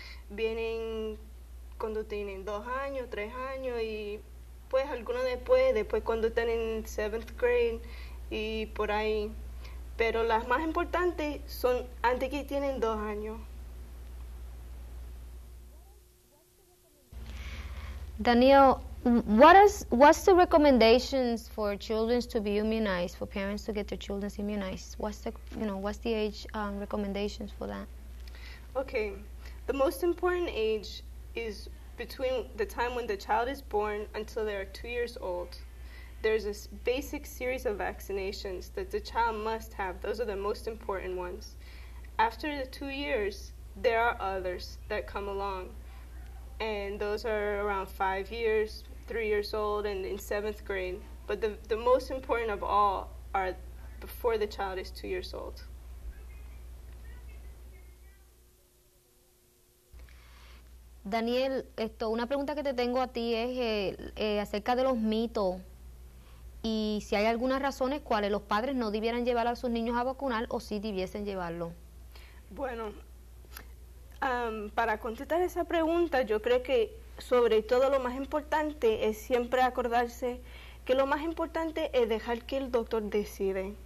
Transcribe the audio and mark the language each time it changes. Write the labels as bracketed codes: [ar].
[es] Vienen cuando tienen 2 años, 3 años y pues algunos después cuando están en 7th grade y por ahí. Pero las más importantes son antes que tienen 2 años. [en] Daniel, what's the recommendations for children to be immunized, for parents to get their children immunized? What's the age recommendations for that? Okay, the most important age is between the time when the child is born until they are 2 years old. There's a basic series of vaccinations that the child must have. Those are the most important ones. After the 2 years, there are others that come along. And those are around 5 years, 3 years old, and in seventh grade. But the most important of all are before the child is 2 years old. [es] Daniel, una pregunta que te tengo a ti es acerca de los mitos. Y si hay algunas razones cuales los padres no debieran llevar a sus niños a vacunar o si debiesen llevarlo. Bueno, para contestar esa pregunta, yo creo que sobre todo lo más importante es siempre acordarse que lo más importante es dejar que el doctor decida.